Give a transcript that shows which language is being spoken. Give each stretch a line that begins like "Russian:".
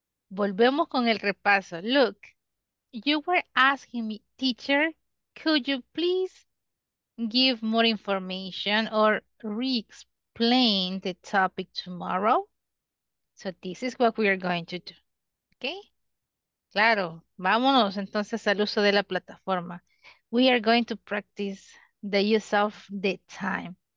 Spanish: Volvemos con el repaso.
English: Look, you were asking me, teacher, could you please give more information or re-explain the topic tomorrow? So this is what we are going to do. Okay?
Spanish: Claro, vámonos entonces al uso de la plataforma.
English: We are going to practice the use of the time.